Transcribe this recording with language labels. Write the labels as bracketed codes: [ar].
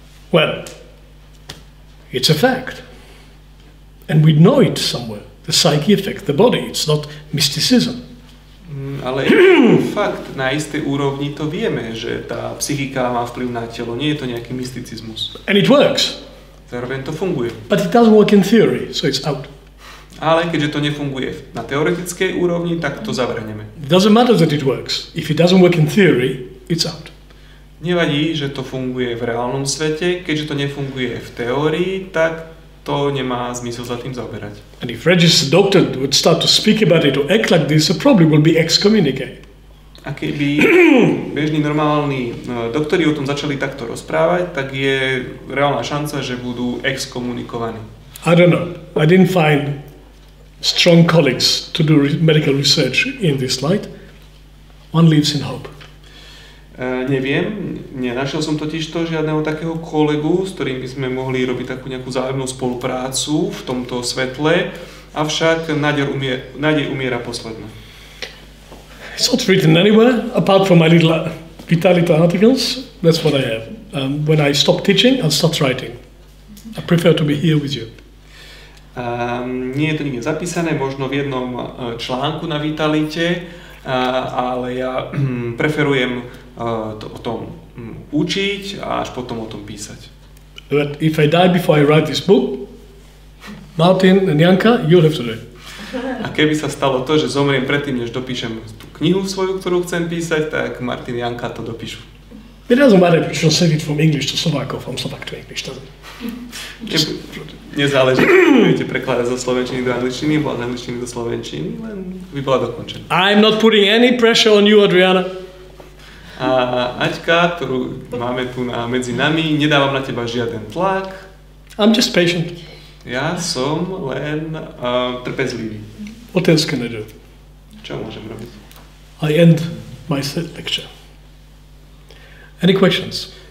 [en] Well, it's a fact. And we know it somewhere. The psyche affects the body. It's not mysticism. [sk] Ale fakt, na istej úrovni to vieme, že tá psychika má vplyv na telo. Nie je to nejaký mysticizmus. [en] And it works. [sk] Zároveň to funguje. [en] But it doesn't work in theory, so it's out. [sk] Ale keďže to nefunguje na teoretickej úrovni, tak to zavrhneme. [en] It doesn't matter that it works. If it doesn't work in theory, it's out. [sk] Nevadí, že to funguje v reálnom svete, keďže to nefunguje v teórii, tak to nemá zmysel za tým zaoberať. [en] And if registered doctor would start to speak about it or act like this, so probably will be excommunicated. [sk] A keby bežný normálny doktori o tom začali takto rozprávať, tak je reálna šanca, že budú exkomunikovaní. [en] I don't know. I didn't find strong colleagues to do medical research in this light. One lives in hope. [sk] Neviem, nenašiel som totiž to žiadneho takého kolegu, s ktorým by sme mohli robiť takú nejakú zájemnú spoluprácu v tomto svetle, avšak nádej umiera posledná. [en] It's not written anywhere, apart from my little Vitalita articles, that's what I have. When I stop teaching, I'll start writing. I prefer to be here with you. [sk] Nie je to nikde zapísané, možno v jednom článku na Vitalite, ale ja preferujem o tom učiť a až potom o tom písať. [en] But if I die before I write this book, Martin and Janka, you'll have to do it. [sk] A keby sa stalo to, že zomriem predtým, než dopíšem tú knihu svoju, ktorú chcem písať, tak Martin Janka to dopíšu. [en] It doesn't matter if you should save it from English to Slovak or from Slovak to English, doesn't it? [sk] Nezáleží, keď budete prekladať zo slovenčiny do angličtiny, bola z angličtiny do slovenčiny, len by bola dokončená. [en] I'm not putting any pressure on you, Adriana. [sk] A Aťka, ktorú máme tu medzi nami, nedávam na teba žiaden tlak. [en] I'm just patient. [sk] Ja som len trpezlivý. [en] What else can I do? [sk] Čo môžem robiť? [en] I end my lecture. Any questions?